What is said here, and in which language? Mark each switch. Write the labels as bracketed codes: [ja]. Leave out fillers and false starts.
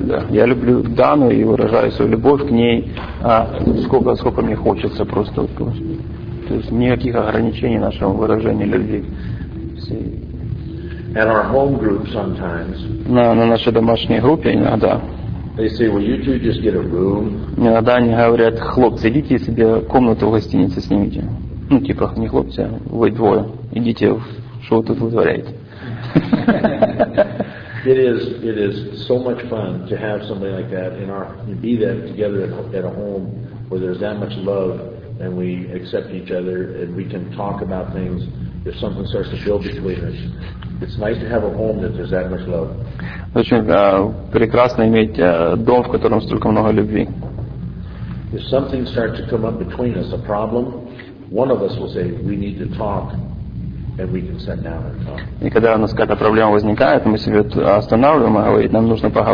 [ru] Я люблю Дану и выражаю свою любовь к ней, сколько мне хочется просто. То есть никаких ограничений нашему выражению любви. [en] At our home group sometimes. [ru] На нашей домашней группе иногда. [en] They say, "Will you two just get a room?" [ru] Иногда они говорят: "Хлопцы, идите себе комнату в гостинице снимите." Ну типа не хлопцы, вы двое, идите, что вы тут вытворяете. [en] It is so much fun to have somebody like that in our be that together at a home where there's that much love and we accept each other and we can talk about things if something starts to build between us. It's nice to have a home that there's that much love. [ru] Очень прекрасно иметь дом, в котором столько много любви. [en] If something starts to come up between us, a problem, one of us will say we need to talk. And we can sit down and talk. [ru] И когда у нас какая-то проблема возникает, мы себе останавливаем и говорим, нам нужно